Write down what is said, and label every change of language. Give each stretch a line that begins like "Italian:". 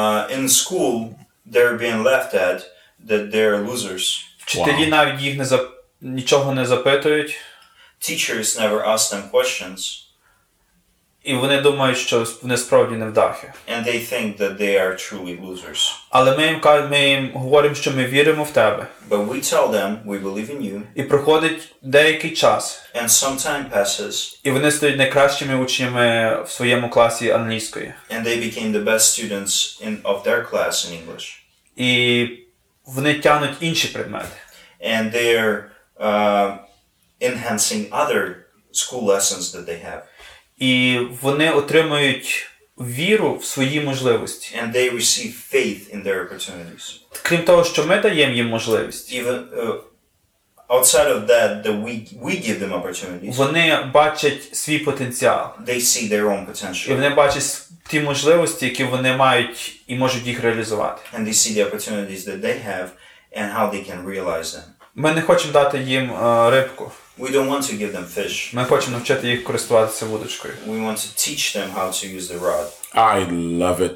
English: In school, they're being laughed at that they're losers.
Ukrainian: Вчителі навіть їх нічого не запитують.
English: Teachers never ask them questions.
Ukrainian: І вони думають, що вони справді невдахи.
English: And they think that they are truly losers.
Ukrainian: Але ми їм говоримо, що ми віримо в тебе.
English: But we tell them we believe in you.
Ukrainian: І проходить деякий час.
English: And some time passes.
Ukrainian: І вони стають найкращими учнями в своєму класі англійської.
English: And they became the best students of their class in English.
Ukrainian: І вони тягнуть інші предмети.
English: And they're enhancing other school lessons that they have.
Ukrainian: І вони отримують віру в свої можливості.
English: And they receive faith in their opportunities.
Ukrainian: Крім того, що ми даємо їм можливість.
English: Even outside of that, that we give them opportunities.
Ukrainian: Вони бачать свій потенціал.
English: They see their own potential.
Ukrainian: І вони бачать ті можливості, які вони мають і можуть їх реалізувати.
English: And they see the opportunities that they have and how they can realize them.
Ukrainian: Ми не хочемо дати їм рибку.
English: We don't want to give them fish.
Ukrainian: Ми хочемо навчити їх користуватися вудочкою.
English: We want to teach them how to use the rod.